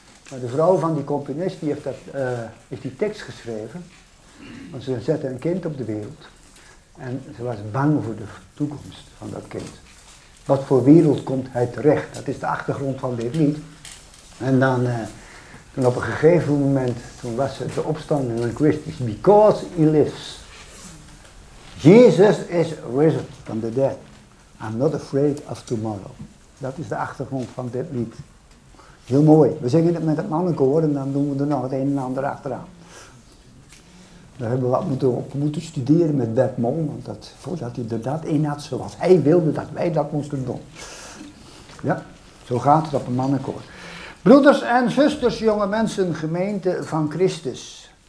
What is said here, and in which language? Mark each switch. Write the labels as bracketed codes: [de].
[nl] Maar de vrouw van die componist die heeft, heeft die tekst geschreven, want ze zette een kind op de wereld. En ze was bang voor de toekomst van dat kind. Wat voor wereld komt hij terecht? Dat is de achtergrond van dit lied. En dan, toen op een gegeven moment, toen was de opstand in een kwestie, [en] because he lives. Jesus is risen from the dead. I'm not afraid of tomorrow. [nl] Dat is de achtergrond van dit lied. Heel mooi. We zingen het met het mannenkoor en dan doen we er nog het een en ander achteraan. Daar hebben we wat moeten studeren met Bert Mol, want dat, voordat hij er dat in had zoals hij wilde dat wij dat moesten doen. Ja, zo gaat het op een mannenkoor. Broeders en zusters, jonge mensen, gemeente van Christus.